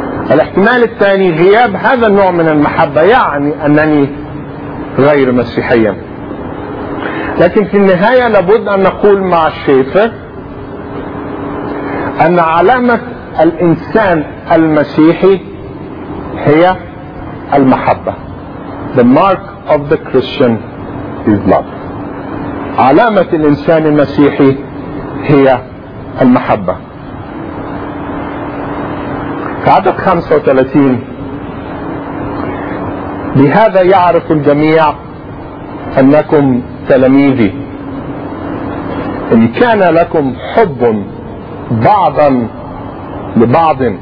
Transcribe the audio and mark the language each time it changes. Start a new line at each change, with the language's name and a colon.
Arabic: الاحتمال الثاني غياب هذا النوع من المحبة يعني أنني غير مسيحيا. لكن في النهاية لابد أن نقول مع الشيفر أن علامة الإنسان المسيحي هي المحبة.
English: The mark of the Christian is love.
Arabic: علامة الإنسان المسيحي هي المحبة. في عدد 35 بهذا يعرف الجميع أنكم تلاميذي إن كان لكم حب بعضا لبعض.